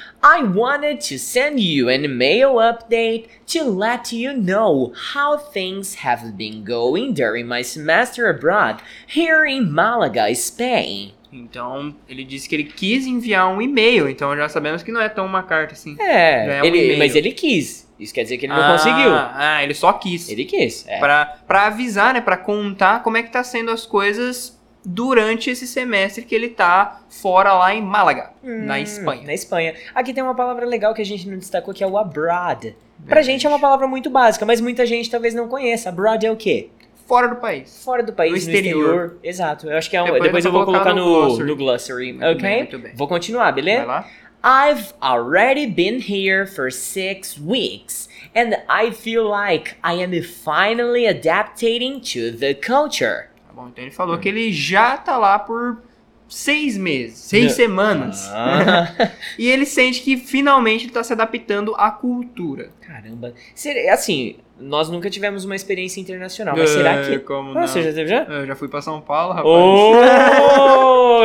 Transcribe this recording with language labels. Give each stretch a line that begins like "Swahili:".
English: I wanted to send you an email update to let you know how things have been going during my semester abroad here in Malaga, Spain.
Portuguese: Então, ele disse que ele quis enviar um e-mail, então já sabemos que não é tão uma carta assim. É, é um ele, mas ele quis. Isso quer dizer que ele não conseguiu. Ah, ele só quis. Ele quis, é. Pra avisar, né, pra contar como é que tá sendo as coisas... Durante esse semestre que ele tá fora lá em Málaga, na Espanha. Na Espanha. Aqui tem uma palavra legal que a gente não destacou, que é o abroad. Verdade. Pra gente é uma palavra muito básica, mas muita gente talvez não conheça. Abroad é o quê? Fora do país. Fora do país, no exterior. Exato. Eu acho que é um... Depois eu vou colocar no glossary. Muito ok? Muito bem. Vou continuar, beleza? Vai lá.
English: I've already been here for 6 weeks, and I feel like I am finally adapting to the culture.
Portuguese: Bom, então ele falou que ele já tá lá por 6 meses, 6 semanas. Ah. E ele sente que finalmente ele tá se adaptando à cultura. Caramba. Assim, nós nunca tivemos uma experiência internacional, mas será que... Como não? Você já teve já? Eu já fui pra São Paulo, rapaz.